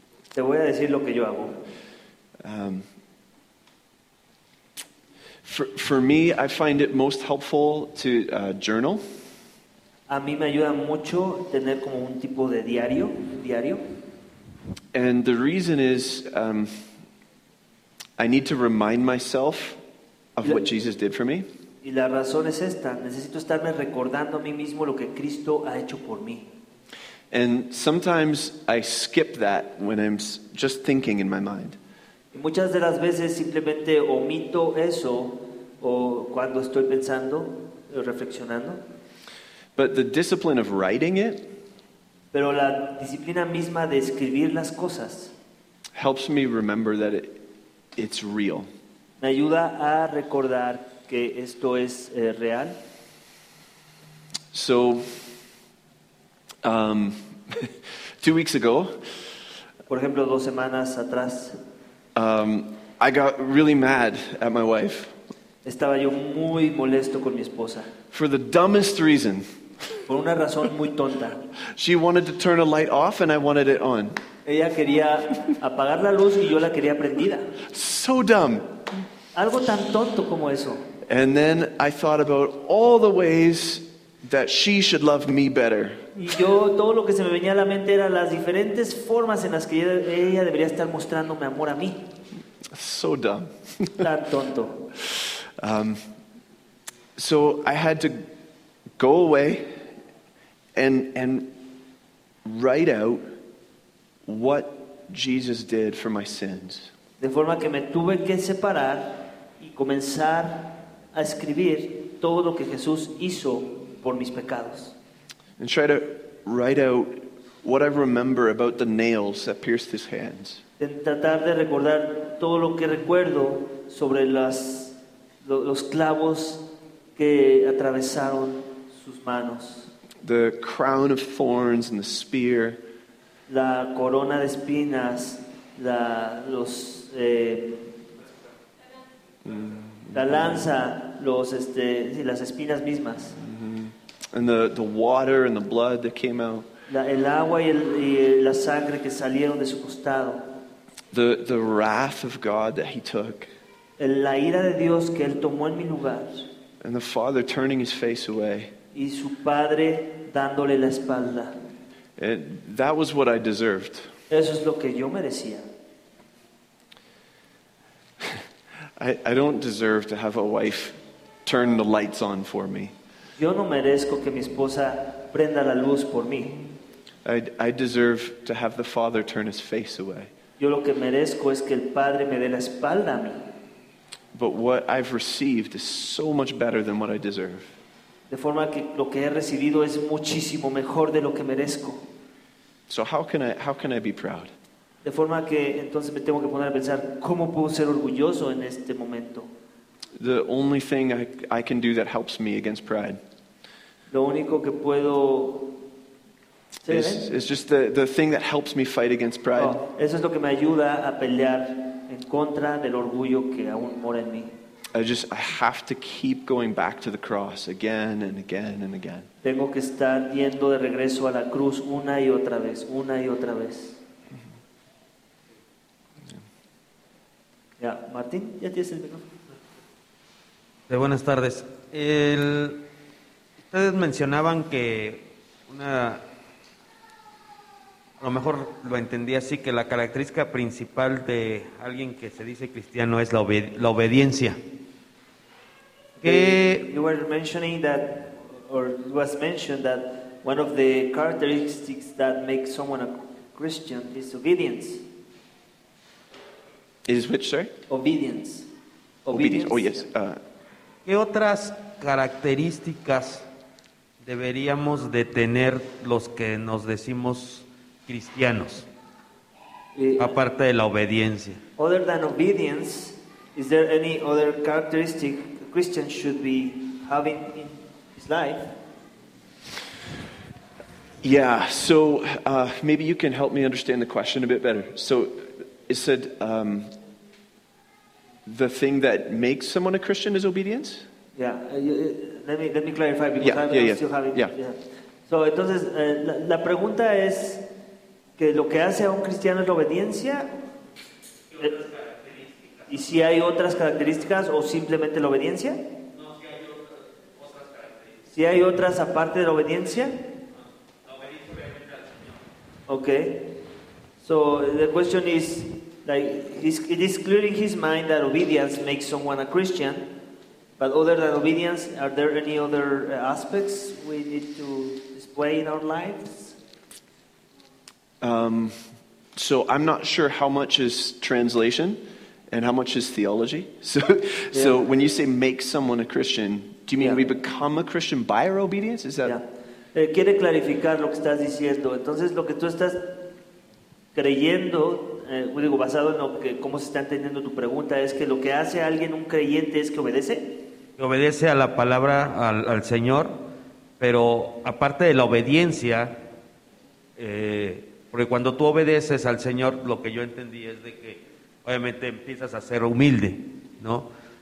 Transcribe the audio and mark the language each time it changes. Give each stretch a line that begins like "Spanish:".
Spanish: Te voy a decir lo que yo hago.
English: For me, I find it most helpful to journal.
Spanish: A mí me ayuda mucho tener como un tipo de diario.
English: And the reason is I need to remind myself of what Jesus did for me.
Spanish: Y la razón es esta, necesito estarme recordando a mí mismo lo que Cristo ha hecho por mí.
English: And sometimes I skip that when I'm just thinking in my mind.
Spanish: Y muchas de las veces simplemente omito eso o cuando estoy pensando, reflexionando.
English: But the discipline of writing it,
Spanish: pero la disciplina misma de escribir las cosas,
English: helps me remember that it's real.
Spanish: Me ayuda a recordar que esto es real.
English: So, 2 weeks ago,
Spanish: por ejemplo, 2 semanas atrás,
English: I got really mad at my wife.
Spanish: Estaba yo muy molesto con mi esposa.
English: For the dumbest reason.
Spanish: Por una razón muy tonta.
English: She wanted to turn a light off and I wanted it on.
Spanish: Ella quería apagar la luz y yo la quería prendida.
English: So dumb.
Spanish: Algo tan tonto como eso.
English: And then I thought about all the ways that she should love me better.
Spanish: Y yo, todo lo que se me venía a la mente era las diferentes formas en las que ella debería estar mostrándome amor a mí.
English: So dumb.
Spanish: Tan tonto.
English: So I had to go away and write out what Jesus did for my sins.
Spanish: De forma que me tuve que separar y comenzar a escribir todo lo que Jesús hizo por mis pecados.
English: And try to write out what I remember about the nails that pierced his hands.
Spanish: En tratar de recordar todo lo que recuerdo sobre los clavos que atravesaron sus manos.
English: The crown of thorns and the spear.
Spanish: La corona de espinas, la lanza, las espinas mismas. Mm-hmm.
English: And the water and the blood that came out.
Spanish: El agua y la sangre que salieron de su costado.
English: The wrath of God that he took.
Spanish: La ira de Dios que él tomó en mi lugar.
English: And the Father turning his face away.
Spanish: Y su padre dándole la espalda.
English: That was what I deserved.
Spanish: Eso es lo que yo merecía.
English: I don't deserve to have a wife turn the lights on for me.
Spanish: Yo no merezco que mi esposa prenda la luz por mí.
English: I deserve to have the Father turn his face away.
Spanish: Yo lo que merezco es que el Padre me dé la espalda a mí.
English: But what I've received is so much better than what I deserve.
Spanish: De forma que lo que he recibido es muchísimo mejor de lo que merezco.
English: So how can I be proud?
Spanish: De forma que entonces me tengo que poner a pensar, ¿cómo puedo ser orgulloso en este momento?
English: The only thing I can do that helps me against pride.
Spanish: Lo único que puedo...
English: It's just the thing that helps me fight against pride.
Spanish: Oh, eso es lo que me ayuda a pelear en contra del orgullo que aún mora en mí.
English: I have to keep going back to the cross again and again and again.
Spanish: Tengo que estar yendo de regreso a la cruz una y otra vez, una y otra vez. Ya, Martín, ya tienes el micrófono. Buenas tardes. Ustedes mencionaban que a lo mejor lo entendí así, que la característica principal de alguien que se dice cristiano es la obediencia. Que
English: you were mentioning that, or it was mentioned that one of the characteristics that makes someone a Christian is obedience. Is which, sorry? Obedience. Obedience. Oh yes.
Spanish: ¿Qué otras características deberíamos de tener los que nos decimos cristianos, aparte de la obediencia?
English: Other than obedience, is there any other characteristic a Christian should be having in his life? Yeah, so maybe you can help me understand the question a bit better. So it said the thing that makes someone a Christian is obedience? Yeah, let me clarify, because still having... Yeah. So
Spanish: entonces, la pregunta es, ¿que lo que hace a un cristiano es la obediencia? ¿Y si hay otras características o simplemente la obediencia? No, si hay otras características. ¿Si hay otras aparte de la obediencia? La obediencia obviamente al Señor.
English: Ok. So, the question is, like, it is clear in his mind that obedience makes someone a Christian, but other than obedience, are there any other aspects we need to display in our lives? So I'm not sure how much is translation and how much is theology. So, yeah. So when you say make someone a Christian, do you mean we become a Christian by our obedience? Is that... Yeah.
Spanish: quiere clarificar lo que estás diciendo. Entonces, lo que tú estás creyendo, digo, basado en lo que, cómo se está entendiendo tu pregunta, es que lo que hace a alguien un creyente es que obedece. Obedece a la palabra, al Señor, pero aparte de la obediencia, porque cuando tú obedeces al Señor, lo que yo entendí es de que obviamente empiezas a ser humilde, ¿no?